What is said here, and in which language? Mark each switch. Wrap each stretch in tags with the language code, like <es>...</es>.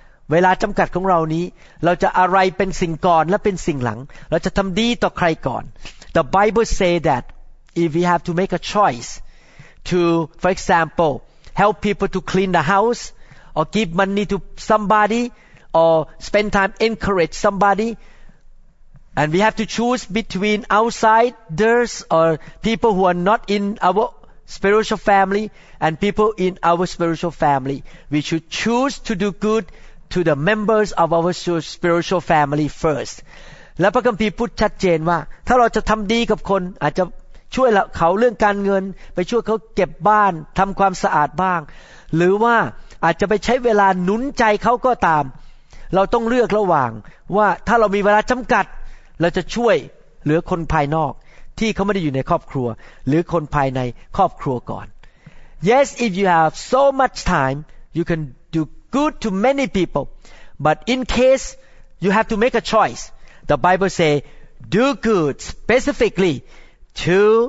<th>เวลาจำกัดของเรานี้เราจะอะไรเป็นสิ่งก่อนและเป็นสิ่งหลังเราจะทำดีต่อใครก่อน</th> <en>The Bible say that if we have to make a choice to for example help people to clean the house or give money to somebody or spend time encourage somebodyAnd we have to choose between outsiders or people who are not in our spiritual family and people in our spiritual family. We should choose to do good to the members of our spiritual family first.</en> <th>และพระคัมภีร์พูดชัดเจนว่าถ้าเราจะทำดีกับคนอาจจะช่วยเขาเรื่องการเงินไปช่วยเขาเก็บบ้านทำความสะอาดบ้างหรือว่าอาจจะไปใช้เวลาหนุนใจเขาก็ตาม เราต้องเลือกระหว่างว่าถ้าเรามีเวลาจำกัดเราจะช่วยเหลือคนภายนอกที่เขาไม่ได้อยู่ในครอบครัวหรือคนภายในครอบครัวก่อน</th> <en>Yes if you have so much time you can do good to many people but in case you have to make a choice the Bible say do good specifically to</en>